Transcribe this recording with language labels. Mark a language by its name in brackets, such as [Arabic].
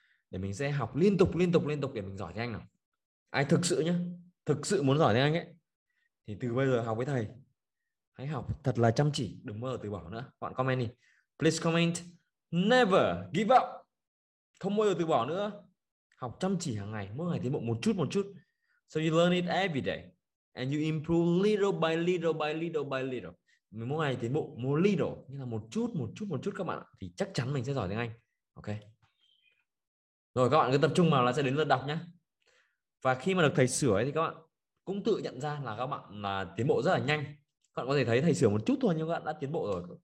[Vietnamese] Để mình sẽ học liên tục để mình giỏi tiếng Anh nào. Ai thực sự nhá, thực sự muốn giỏi tiếng Anh ấy, thì từ bây giờ học với thầy. Hãy học thật là chăm chỉ, đừng mơ từ bỏ nữa. Bạn comment đi. [English] Please comment. Never give up. [Vietnamese] Không bao giờ từ bỏ nữa. Học chăm chỉ hàng ngày, mỗi ngày tiến bộ một chút. [English] So you learn it every day. And you improve little by little by little by little. [Vietnamese] Mình mỗi ngày tiến bộ một little, như là một chút các bạn, thì chắc chắn mình sẽ giỏi tiếng Anh. Ok. Rồi các bạn cứ tập trung vào là sẽ đến lượt đọc nhé. Và khi mà được thầy sửa ấy, thì các bạn cũng tự nhận ra là các bạn là tiến bộ rất là nhanh. Các bạn có thể thấy thầy sửa một chút thôi nhưng các bạn đã tiến bộ rồi.